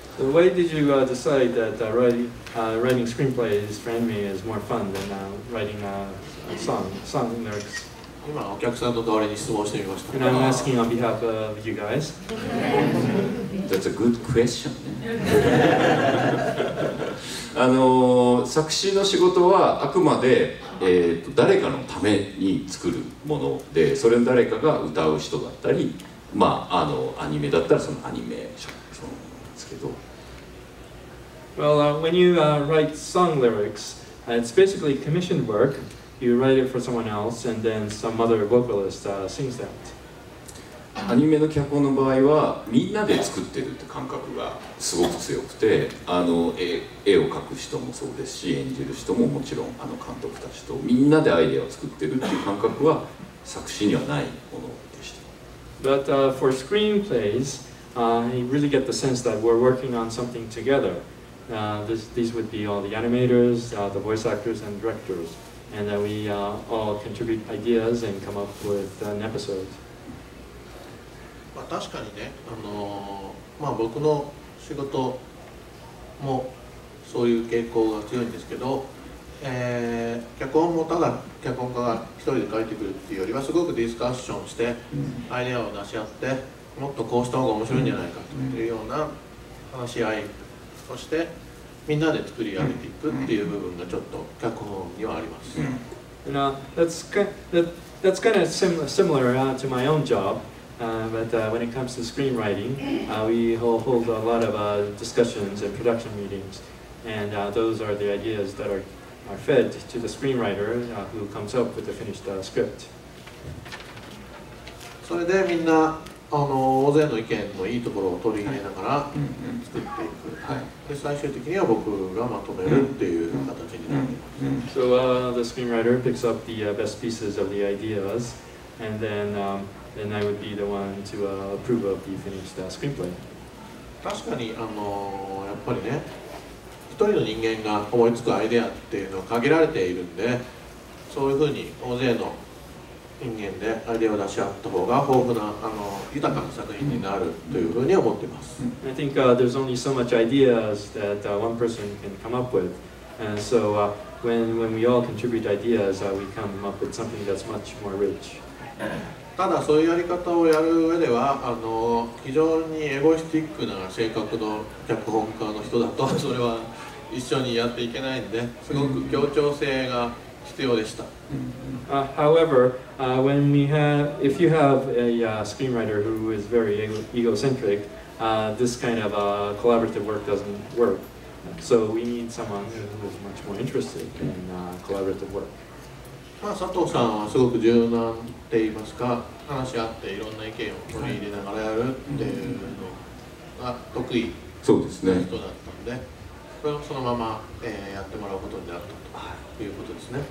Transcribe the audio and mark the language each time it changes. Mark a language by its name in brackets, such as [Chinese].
[English] way did you decide that writing screenplays for anime is more fun than writing song lyrics? And I'm asking on behalf of you guys. That's a good question. [Japanese] あの作詞の仕事はあくまで、誰かのために作るもので、それの誰かが歌う人だったり、まああのアニメだったらそのアニメーションですけど。 [English] Well, when you write song lyrics, it's basically commissioned work. You write it for someone else, and then some other vocalist sings that. [Japanese] アニメの脚本の場合はみんなで作ってるって感覚がすごく強くて、あの 絵を描く人もそうですし、演じる人ももちろんあの監督たちとみんなでアイデアを作ってるっていう感覚は作詞にはないものでした。 [English] But for screenplays, you really get the sense that we're working on something together. These would be all the animators, the voice actors and directors. And then we all contribute ideas and come up with an episode. [Japanese] 確かにね、まあ、僕の仕事もそういう傾向が強いんですけど、脚本もただ脚本家が一人で書いてくるっていうよりはすごくディスカッションしてアイデアを出し合って、もっとこうした方が面白いんじゃないかというような話し合い、そしてみんなで作り上げていくっていう部分がちょっと脚本にはあります。 [English] That's kind of similar to my own jobwhen it comes to screenwriting, we hold a lot of discussions and production meetings, and those are the ideas that are fed to the screenwriter who comes up with the finished script. So then, [Japanese] みんな大勢の意見のいいところを取り入れながら作っていく。で、最終的には僕がまとめるっていう形になってます。 [English] So the screenwriter picks up the best pieces of the ideas, and then. Then I would be the one to approve of the finished screenplay. [Japanese] 確かにやっぱりね、一人の人間が思いつくアイデアっていうのは限られているんで、そういうふうに大勢の人間でアイデアを出し合った方が豊富な豊かな作品になるというふうに思っています。 [English] I think there's only so much ideas that one person can come up with, and so when we all contribute ideas, we come up with something that's much more rich. [Japanese] ただそういうやり方をやる上では非常にエゴイスティックな性格の脚本家の人だとそれは一緒にやっていけないんで、すごく協調性が必要でした。 [English] However, if you have a screenwriter who is very egocentric, this kind of collaborative work doesn't work. So we need someone who is much more interested in collaborative work. [Japanese] まあ、佐藤さんはすごく柔軟って言いますか、話し合っていろんな意見を取り入れながらやるっていうのが得意な人だったんで、そのまま、やってもらうことになったということですね。